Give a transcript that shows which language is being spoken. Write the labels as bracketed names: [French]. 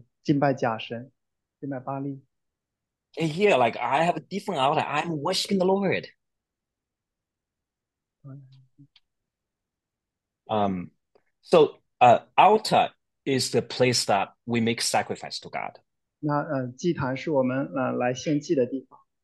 [Chinese] 那当时他的其实他的邻居都在敬拜假神，敬拜巴利。 [English] And here, like, I have a different altar. I'm worshiping the Lord. Altar is the place that we make sacrifice to God. [Chinese] 那祭坛是我们来献祭的地方。